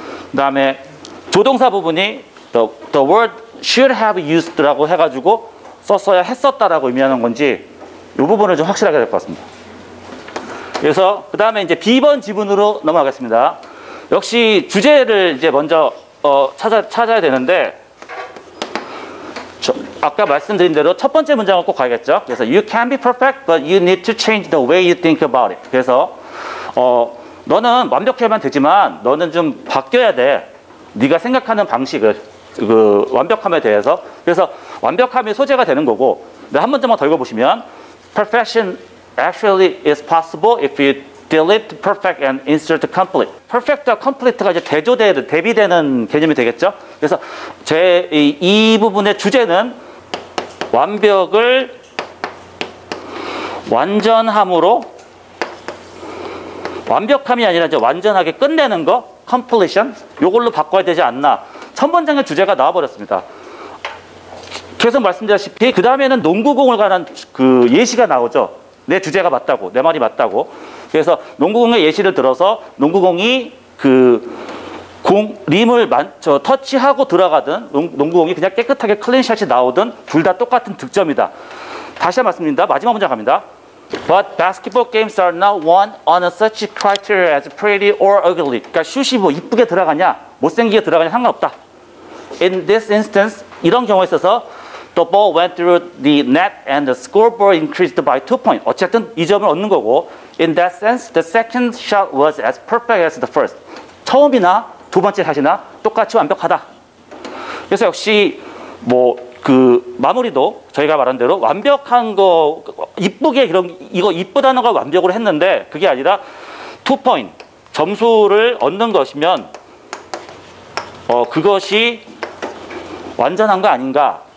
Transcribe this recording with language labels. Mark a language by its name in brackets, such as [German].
[Korean] 그 다음에 조동사 부분이 [English] the word should have used [Korean] 라고 해가지고 썼어야 했었다라고 의미하는 건지 이 부분을 좀 확실하게 될 것 같습니다. 그래서 그 다음에 이제 B번 지문으로 넘어가겠습니다. 역시 주제를 이제 먼저 찾아야 되는데, 아까 말씀드린 대로 첫 번째 문장을 꼭 가야겠죠. [English] 그래서 You can be perfect, but you need to change the way you think about it. [Korean] 그래서 너는 완벽해야만 되지만 너는 좀 바뀌어야 돼. 네가 생각하는 방식을 그 완벽함에 대해서. 그래서 완벽함이 소재가 되는 거고, 한 문장만 더 읽어보시면 [English] Perfection actually is possible if you delete perfect and insert complete. [Korean] Perfect와 complete가 이제 대비되는 개념이 되겠죠. 그래서 제 이 부분의 주제는 완벽을 완전함으로, 완벽함이 아니라 이제 완전하게 끝내는 거, completion, 이걸로 바꿔야 되지 않나. 첫 번째 주제가 나와버렸습니다. 계속 말씀드렸다시피 그 다음에는 농구공에 관한 그 예시가 나오죠. 내 주제가 맞다고, 내 말이 맞다고. 그래서 농구공의 예시를 들어서 농구공이 그 공 림을 터치하고 들어가든 농구공이 그냥 깨끗하게 클린샷이 나오든 둘 다 똑같은 득점이다. 다시 말씀드립니다. 마지막 문장 갑니다. [English] But basketball games are not won on such criteria as pretty or ugly. [Korean] 그러니까 슛이 뭐 이쁘게 들어가냐 못생기게 들어가냐 상관없다. [English] In this instance, [Korean] 이런 경우에 있어서 [English] the ball went through the net and the scoreboard increased by 2 points. [Korean] 어쨌든 이 점을 얻는 거고, [English] in that sense, the second shot was as perfect as the first. [Korean] 처음이나 두 번째 샷이나 똑같이 완벽하다. 그래서 역시 뭐 그 마무리도 저희가 말한 대로 완벽한 거, 이쁘게 이런 이거 이쁘다는 걸 완벽으로 했는데 그게 아니라 2 points 점수를 얻는 것이면 그것이 완전한 거 아닌가.